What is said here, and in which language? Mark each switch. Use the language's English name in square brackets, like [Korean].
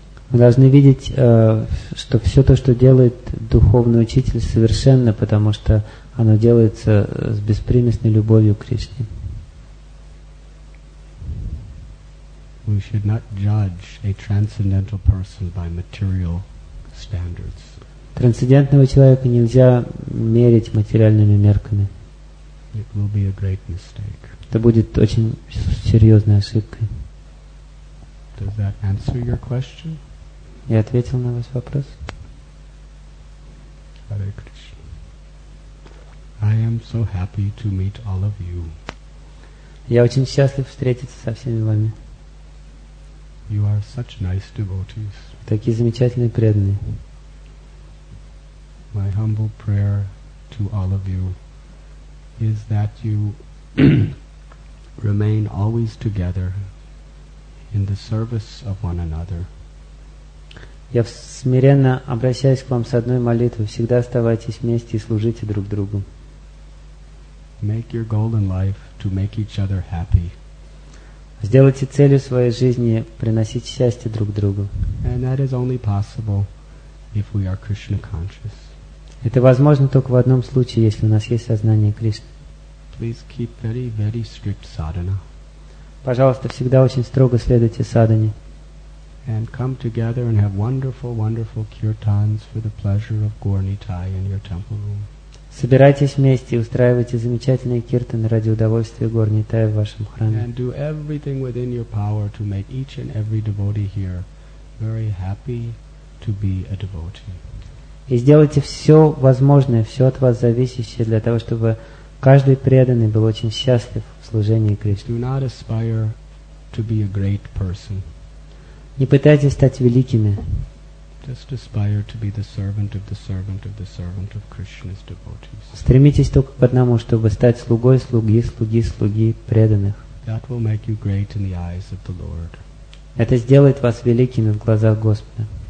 [Russian] Мы должны видеть, что все то, что делает духовный учитель, совершенно, потому что оно делается с беспримесной любовью к Кришне. [English] We should not judge a transcendental person by material standards. [Russian] Трансцендентного человека нельзя мерить материальными мерками. [English] It will be a great mistake. [Russian] Это будет очень серьезной ошибкой. [English] Does that answer your question? [Russian] Я ответил на ваш вопрос. [English] Hare Krishna. I am so happy to meet all of you. [Russian] Я очень счастлив встретиться со всеми вами. [English] You are such nice devotees. [Russian] Такие замечательные преданные. [English] My humble prayer to all of you is that you remain always together in the service of one another. [Russian] Я смиренно обращаюсь к вам с одной молитвой: всегда оставайтесь вместе и служите друг другу. [English] Make your goal in life to make each other happy. [Russian] Сделайте целью своей жизни приносить счастье друг другу. [English] And that is only possible if we are Krishna conscious. [Russian] Это возможно только в одном случае, если у нас есть сознание Кришны. [English] Please keep very, very strict sadhana. [Russian] Пожалуйста, всегда очень строго следуйте садхане. [English] And come together and have wonderful, wonderful kirtans for the pleasure of Gornitai in your temple room. [Russian] Собирайтесь вместе и устраивайте замечательные киртаны ради удовольствия Горнитая в вашем храме. [English] And do everything within your power to make each and every devotee here very happy to be a devotee. [Russian] И сделайте все возможное, все от вас зависящее для того, чтобы каждый преданный был очень счастлив в служении Кришне. [English] Do not aspire to be a great person. [Russian] Не пытайтесь стать великими. [English] Just aspire to be the servant of the servant of the servant of Krishna's devotees. [Russian] Стремитесь только к одному, чтобы стать слугой слуги, слуги слуги преданных. [English] That will make you great in the eyes of the Lord. [Russian] Это сделает вас великими в глазах Господа.